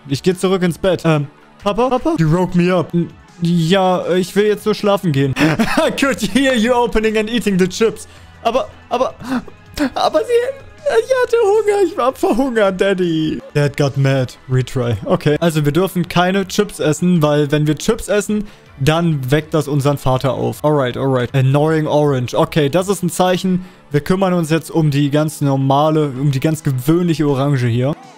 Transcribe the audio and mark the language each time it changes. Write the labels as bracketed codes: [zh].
[de] Ich gehe zurück ins Bett. Papa? Papa? [en] You woke me up. [de] Ja, ich will jetzt nur schlafen gehen. [en] I could hear you opening and eating the chips. [de] Aber sie... Ich hatte Hunger, ich war verhungert, Daddy. [en] Dad got mad. Retry. [de] Okay, also wir dürfen keine Chips essen, weil wenn wir Chips essen, dann weckt das unseren Vater auf. [en] Alright, alright. [de] Annoying Orange. Okay, das ist ein Zeichen. Wir kümmern uns jetzt um die ganz normale, um die ganz gewöhnliche Orange hier.